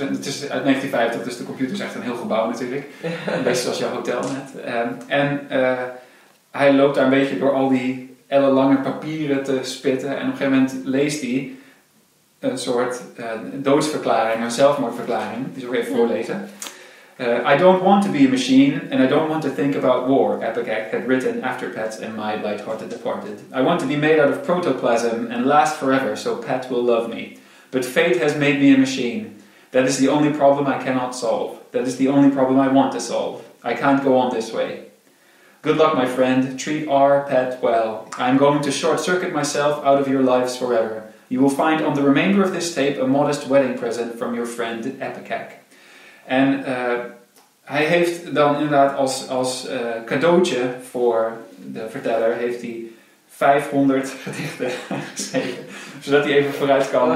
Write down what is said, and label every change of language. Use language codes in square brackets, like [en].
[nl] En het is uit 1950, dus de computer is echt een heel gebouw natuurlijk. Een beetje zoals jouw hotel net. Hij loopt daar een beetje door al die ellenlange papieren te spitten. En op een gegeven moment leest hij een soort doodsverklaring, een zelfmoordverklaring. Die zal ik even voorlezen. [en] I don't want to be a machine, and I don't want to think about war, Epicac had written after Pets and my lighthearted departed. I want to be made out of protoplasm and last forever, so Pet will love me. But fate has made me a machine. That is the only problem I cannot solve. That is the only problem I want to solve. I can't go on this way. Good luck, my friend. Treat our pet well. I am going to short-circuit myself out of your lives forever. You will find on the remainder of this tape a modest wedding present from your friend Epicac. [nl] En hij heeft dan inderdaad als cadeautje voor de verteller, heeft hij 500 gedichten geschreven. Zodat hij even vooruit kan.